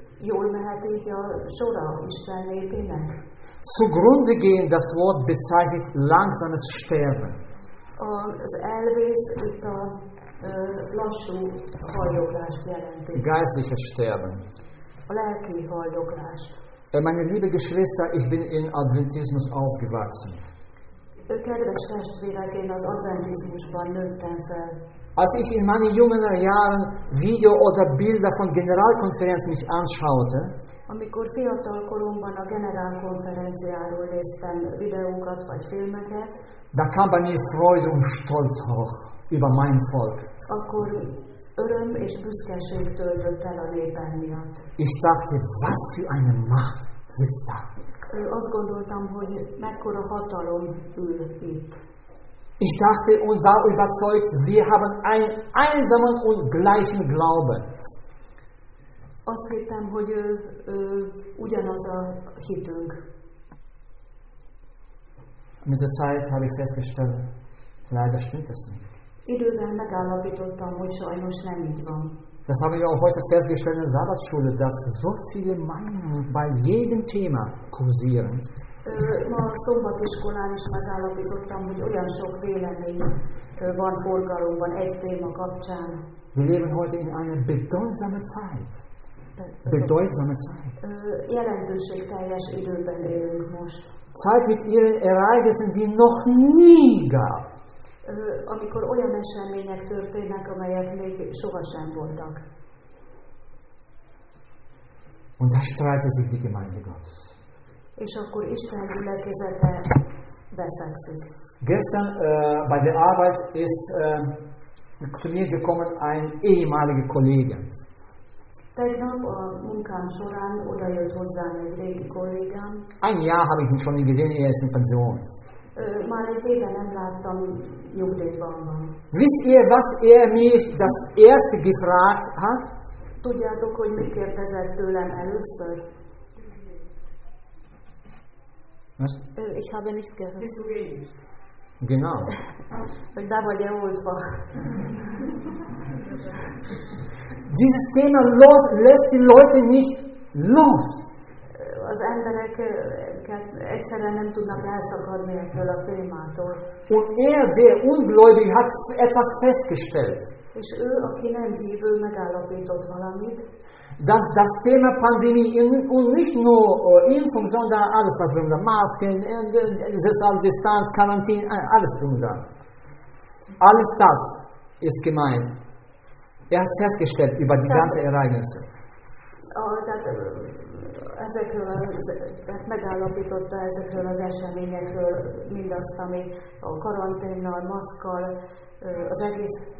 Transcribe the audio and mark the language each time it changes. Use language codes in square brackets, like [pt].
[hu] Jól mehet így a sora Isten népének. [de] Zugrunde gehen, das Wort bezeichnet langsames Sterben. [hu] Az elvész itt a lassú haldoklást jelenti. [de] Geistliches Sterben. [hu] A lelki haldoklást. [de] Meine liebe Geschwister, ich bin in Adventismus aufgewachsen. [hu] Kedves testvérek, én az Adventizmusban nőttem fel. [de] Als ich in meinen jungen Jahren Video oder Bilder von Generalkonferenz mich anschaute, [hu] amikor fiatal koromban a generálkonferenciáról néztem videókat vagy filmeket, [de] da kam bei mir Freude und Stolz hoch über mein Volk. [hu] Akkor öröm és büszkeség töltött el a népem miatt. [de] Ich dachte, was für eine Macht sitzt da. [hu] Azt gondoltam, hogy mekkora hatalom ül itt. [de] Ich dachte und war überzeugt, wir haben einen einsamen und gleichen Glauben. [hu] Azt hittem, hogy ugyanaz a hitünk. [de] Mit der Zeit habe ich festgestellt, leider stimmt es nicht. [hu] Idővel megállapítottam, hogy sajnos nem így van. [de] Das habe ich auch heute festgestellt in der Sabbatschule, dass so viele Meinungen bei jedem Thema kursieren. [hu] Ma a szombatiskolán is megállapítottam, hogy olyan sok vélemény van forgalomban egy téma kapcsán. [de] Wir leben heute in einer bedeutsamen Zeit. Bedeutsame Zeit. [hu] Jelentőségteljes időben élünk most. [de] Zeit mit ihren Ereignissen, die noch nie gab. [hu] Amikor olyan események történnek, amelyek még sohasem voltak. [de] Und da streitet sich die Gemeinde Gottes. [hu] És akkor Isten gyülekezete beszegszik. [de] Gestern bei der Arbeit ist zu mir gekommen ein ehemaliger Kollege. [hu] Tegnap a munkám során odajött hozzám egy régi kollégám. [de] Ein Jahr habe ich ihn schon nie gesehen, er ist in Pension. [hu] Már egy éve nem láttam nyugdíjban. [de] Wisst ihr, was mir das erste gefragt hat? [hu] Tudjátok, hogy mit kérdezett tőlem először? [de] Was? Ich habe nichts gehört. Bist du geimpft? Genau. [hu] Hogy be vagy-e oltva. [de] Dieses Thema los, lässt die Leute nicht los. [hu] Az emberek egyszerűen nem tudnak elszakadni ettől a témától. [de] Und er, der Ungläubige, hat etwas festgestellt. [hu] És ő, aki nem hívő, megállapított valamit. [de] Dass das Thema Pandemie und nicht nur Impfung, sondern alles was drum da, Masken, soziale Distanz, Quarantäne, alles drum da. Alles das ist gemeint. Er hat festgestellt über die ganze Ereignisse. [hu] Ezekről ezt megállapította ezekről az eseményekről mindazt, ami a karanténnal, maszkkal, az egész